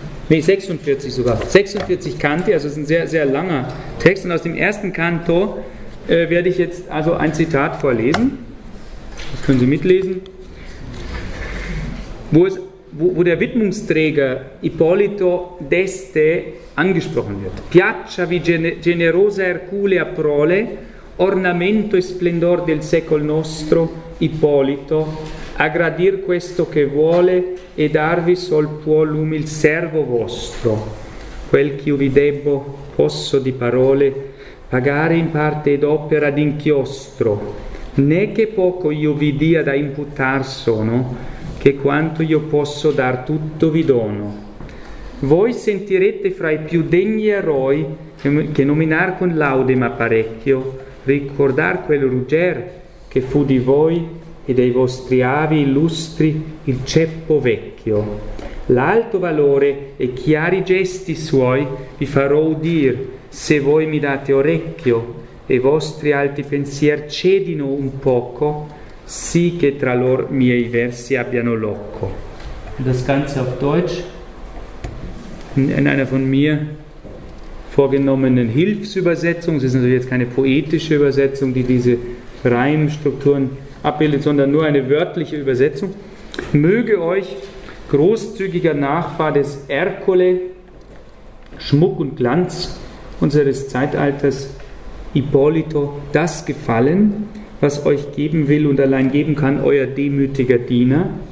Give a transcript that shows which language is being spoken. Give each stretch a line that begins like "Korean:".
German: Nee, 46 sogar. 46 Canti, also es ist ein sehr, sehr langer Text. Und aus dem ersten Canto werde ich jetzt also ein Zitat vorlesen. Das können Sie mitlesen. Wo der Widmungsträger Ippolito d'Este angesprochen wird.
Italian: Piaccia vi generosa Herculea prole, ornamento e splendor del secol nostro, Ippolito, a gradir questo che vuole e darvi sol può l'umil servo vostro. Quel ch'io vi debbo, posso di parole, pagare in parte ed opera d'inchiostro, né che poco io vi dia da imputar sono, che quanto io posso dar tutto vi dono. Voi sentirete fra i più degni eroi che nominar con laude m'apparecchio, ricordar quel Ruggier che fu di voi e dei vostri avi illustri il ceppo vecchio. L'alto valore e chiari gesti suoi vi farò udir se voi mi date orecchio e i vostri alti pensier cedino un poco, sì che tra lor miei versi abbiano locco.
German: Das Ganze auf Deutsch, in einer von mir vorgenommenen Hilfsübersetzung. Es ist natürlich jetzt keine poetische Übersetzung, die diese Reimstrukturen abbildet, sondern nur eine wörtliche Übersetzung. Möge euch großzügiger Nachfahr des Erkole, Schmuck und Glanz unseres Zeitalters Ippolito, das gefallen, was euch geben will und allein geben kann, euer demütiger Diener.